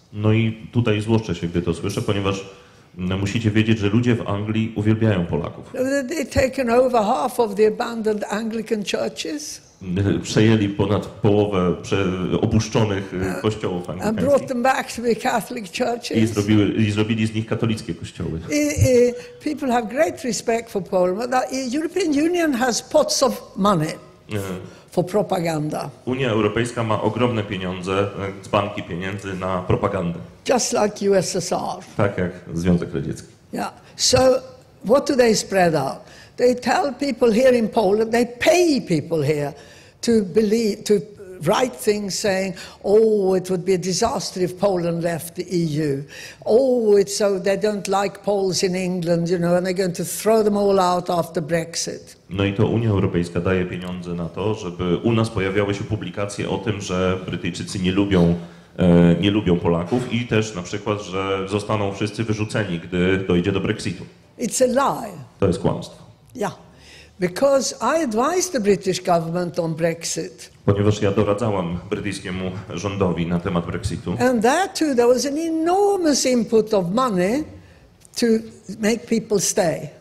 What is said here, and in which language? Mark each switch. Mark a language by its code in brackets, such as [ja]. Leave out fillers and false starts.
[pl] No i tutaj złoszczę się, gdy to słyszę, ponieważ musicie wiedzieć, że ludzie w Anglii uwielbiają Polaków. [en] They've taken over half of the abandoned Anglican churches. [pl] Przejęli ponad połowę opuszczonych kościołów anglikańskich. [en] And brought them back to be Catholic churches. [pl] I zrobili z nich katolickie kościoły. [en] People have great respect for Poland. The European Union has pots of money for propaganda. [pl] Unia Europejska ma ogromne pieniądze, dzbanki pieniędzy na propagandę. [en] Just like USSR. [pl] Tak jak Związek Radziecki. [en] Yeah. So what do they spread out? They tell people here in Poland, they pay people here to believe, to write things saying, oh, it would be a disaster if Poland left the EU. Oh, it's so they don't like Poles in England, you know, and they're going to throw them all out after Brexit. [pl] No i to Unia Europejska daje pieniądze na to, żeby u nas pojawiały się publikacje o tym, że Brytyjczycy nie lubią Polaków i też na przykład, że zostaną wszyscy wyrzuceni, gdy dojdzie do Brexitu. [en] It's a lie. [pl] To jest kłamstwo. [en] Yeah, because I advised the British government on Brexit. [pl] Ponieważ ja doradzałam brytyjskiemu rządowi na temat Brexitu. [en] And there too, there was an enormous input of money to make people stay.